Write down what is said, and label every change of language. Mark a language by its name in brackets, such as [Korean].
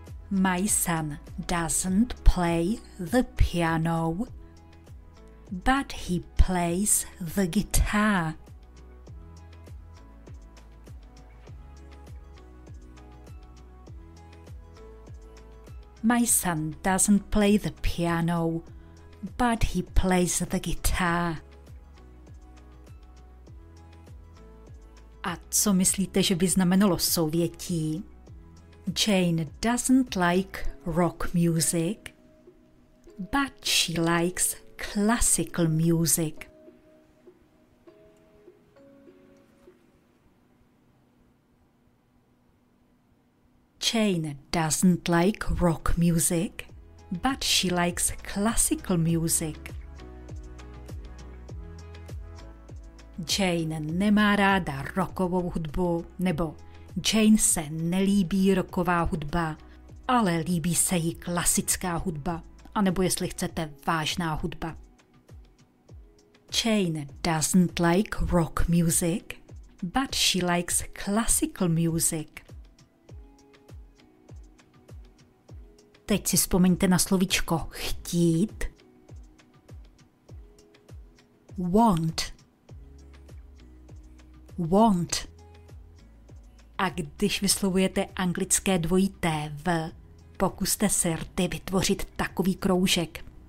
[English] My son doesn't play the piano, but he plays the guitar. My son doesn't play the piano, but he plays the guitar. [Czech] A co myslíte, že by znamenalo souvětí? [English] Jane doesn't like rock music, but she likes classical music. Jane doesn't like rock music, but she likes classical music. [Czech] Jane nemá ráda rockovou hudbu, nebo Jane se nelíbí rocková hudba, ale líbí se jí klasická hudba, anebo jestli chcete vážná hudba. [English] Jane doesn't like rock music, but she likes classical music. [Czech] Teď si vzpomeňte na slovíčko chtít. [English] Want. [Czech] Want. A když vyslovujete anglické dvojité V, pokuste se rty vytvořit takový kroužek.